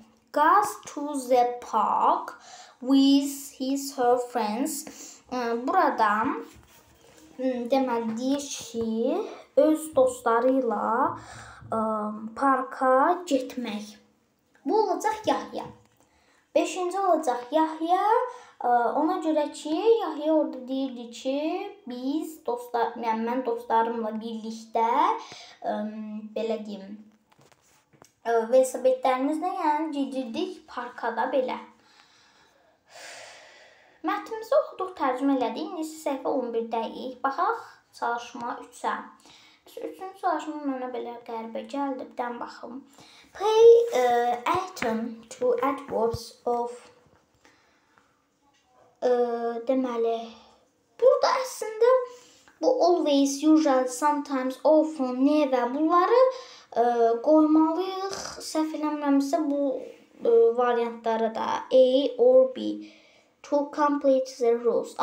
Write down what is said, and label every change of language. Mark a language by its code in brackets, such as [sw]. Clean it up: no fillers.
[en] Goes to the park with his her friends. [az] Burada deməli, deyir ki, öz dostları ilə parka getmək. Bu olacaq Yahya. 5-ci olacaq Yahya. Ona görə ki, Yahya orada deyirdi ki, biz dostlar, yəni mən dostlarımla birlikdə belə deyim, velosipedlərimizlə yəni gedirdik parkada belə. Mətnimizi oxuduq, tərcümə elədik. İndi səhifə 11-dəyik. Baxaq, çalışma 3-ə. 3-cü çalışma mənə belə qəribə gəldi. Bir dən baxım. [en] Pay attention to adverbs of... [az] deməli, burada əslində bu always, usually, sometimes, often, never bunları qoymalıyıq, səhv eləmirəmsə bu variantları da [en] A or B to complete the rules.